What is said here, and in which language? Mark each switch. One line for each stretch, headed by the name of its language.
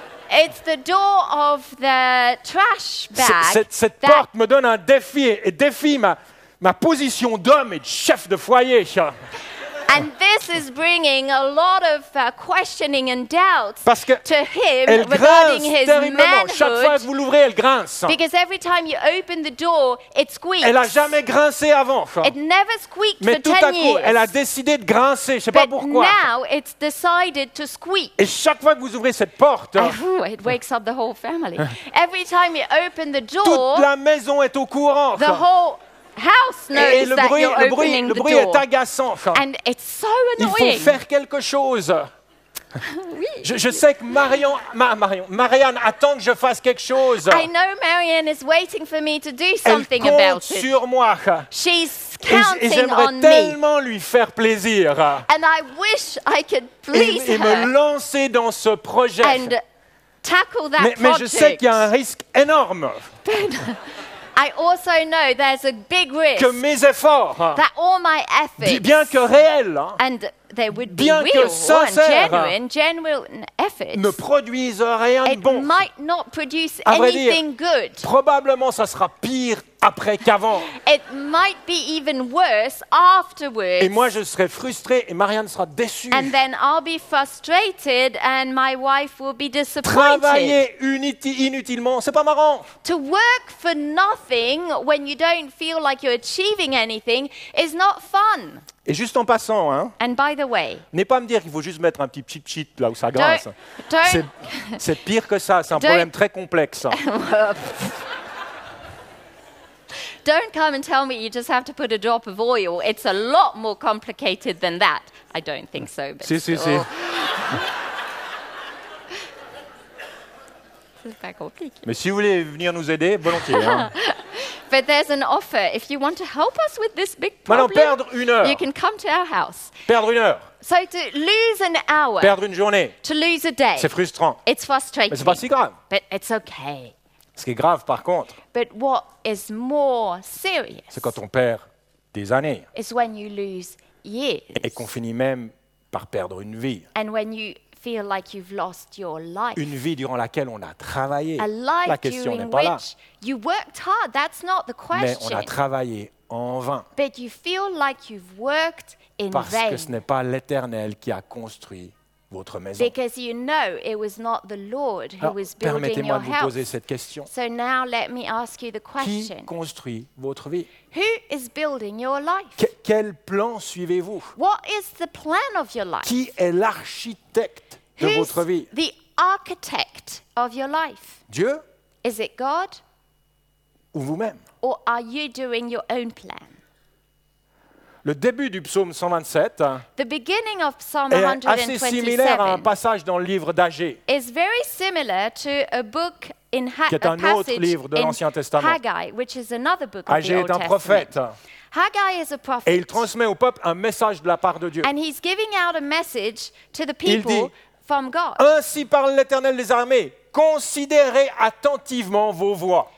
English: It's the door of the trash bag.
French: Cette porte me donne un défi et défie ma position d'homme et de chef de foyer.
English: And this is bringing a lot of questioning and doubts
French: parce que
English: to him regarding his manhood.
French: Chaque fois que vous l'ouvrez, elle grince.
English: Because every time you open the door, it squeaks.
French: Elle a jamais grincé avant.
English: It never squeaked
French: Mais
English: for 10 years.
French: Mais tout à coup, elle a décidé de grincer. Je sais pas pourquoi.
English: But now it's decided to squeak.
French: Et chaque fois que vous ouvrez cette porte,
English: it wakes up the whole family. Every time you open the door,
French: toute la maison est au courant.
English: The whole house knows
French: et le bruit,
English: that you're opening
French: le bruit
English: the door.
French: Est agaçant.
English: And it's so annoying.
French: Il faut faire quelque chose. Oui. Je sais que Marianne attend que je fasse quelque chose.
English: I know Marianne is waiting for me to do something about it.
French: Elle compte sur moi.
English: She's counting on me.
French: Et j'aimerais tellement lui faire plaisir.
English: And I wish I could please her.
French: Et me lancer dans ce projet.
English: And tackle that project.
French: Mais je sais qu'il y a un risque énorme.
English: I also know there's a big risk
French: que mes efforts,
English: that all my efforts,
French: bien que réels,
English: and they would be
French: bien
English: real
French: que sincères,
English: and genuine efforts,
French: ne produisent rien de bon.
English: It might not produce anything good.
French: Probablement, ça sera pire après qu'avant.
English: It might be even worse afterwards.
French: Et moi, je serai frustré et Marianne sera déçue.
English: And then I'll be frustrated and my wife will be disappointed.
French: Travailler inutilement, c'est pas marrant.
English: To work for nothing when you don't feel like you're achieving anything is not fun.
French: Et juste en passant, hein.
English: And by the way,
French: n'est pas à me dire qu'il faut juste mettre un petit cheat là où ça grince.
English: Don't,
French: c'est pire que ça. C'est un problème très complexe.
English: Don't come and tell me you just have to put a drop of oil. It's a lot more complicated than that. I don't think so. But
French: si,
English: still.
French: Si, si. C'est pas compliqué. Mais si vous voulez venir nous aider, volontiers. Hein.
English: But there's an offer. If you want to help us with this big problem,
French: maintenant, perdre une heure.
English: You can come to our house.
French: Perdre une heure.
English: So to lose an hour.
French: Perdre une journée.
English: To lose a day.
French: C'est frustrant.
English: It's frustrating.
French: Mais c'est pas si grave.
English: But it's okay.
French: Ce qui est grave, par contre,
English: but what is more serious,
French: c'est quand on perd des années.
English: Is when you lose years.
French: Et qu'on finit même par perdre une vie.
English: And when you feel like you've lost your life.
French: Une vie durant laquelle on a travaillé.
English: A life
French: La question
English: during
French: n'est pas
English: which
French: là.
English: You worked hard. That's not the question.
French: Mais on a travaillé en vain.
English: But you feel like you've worked in
French: Parce
English: vain.
French: Que ce n'est pas l'Éternel qui a construit votre maison.
English: Because you know it was not the Lord who
French: Alors,
English: was building your house.
French: Permettez-moi de vous poser cette question.
English: So now let me ask you the question.
French: Qui construit votre vie?
English: Who is building your life?
French: Quel plan suivez-vous?
English: What is the plan of your life?
French: Qui est l'architecte de votre vie?
English: Who's the architect of your life?
French: Dieu?
English: Is it God?
French: Ou vous-même?
English: Or are you doing your own plan?
French: le début du psaume 127,
English: the beginning of Psalm 127
French: est assez similaire à un passage dans le livre d'Agé,
English: is very similar to a book in
French: qui est un autre livre de l'Ancien Testament.
English: Haggai, which is another book of
French: Agé
English: the
French: est un prophète.
English: Haggai is a prophet.
French: Et il transmet au peuple un message de la part de Dieu.
English: And he's giving out a message to the people
French: dit,
English: from God.
French: Ainsi parle l'Éternel des armées, considérez attentivement vos voies.